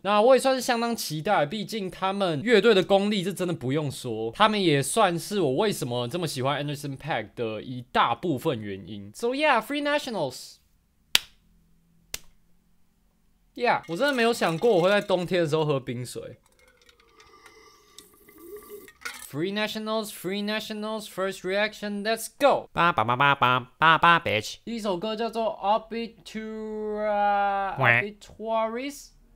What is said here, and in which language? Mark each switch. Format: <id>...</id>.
<zh>那我也算是相当期待，毕竟他们乐队的功力是真的不用说，他们也算是我为什么。我这么喜欢 Anderson Paak 的一大部分原因。</zh> <en>So yeah, Free Nationals. Yeah，</en> <zh>我真的没有想过我会在冬天的时候喝冰水。</zh> <en>Free Nationals, Free Nationals, first reaction, let's go. 叭叭叭叭叭叭，bitch。</en> <zh>第一首歌叫做 Obituaries.</zh>